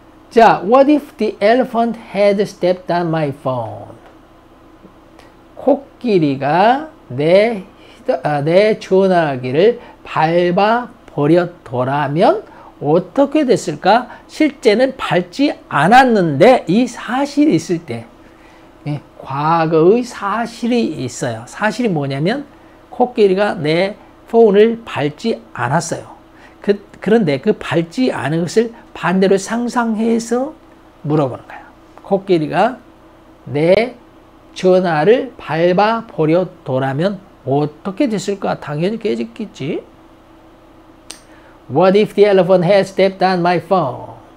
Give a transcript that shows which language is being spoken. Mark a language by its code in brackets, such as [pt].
[en] 자, what if the elephant had stepped on my phone? [ko] 코끼리가 내 전화기를 밟아 버렸더라면 어떻게 됐을까? 실제는 밟지 않았는데 이 사실이 있을 때. 네, 과거의 사실이 있어요. 사실이 뭐냐면 코끼리가 내 폰을 밟지 않았어요. 그런데 그 밟지 않은 것을 반대로 상상해서 물어보는 거야. 코끼리가 내 전화를 밟아 버렸더라면 어떻게 됐을까? 당연히 깨졌겠지. [en] What if the elephant had stepped on my phone?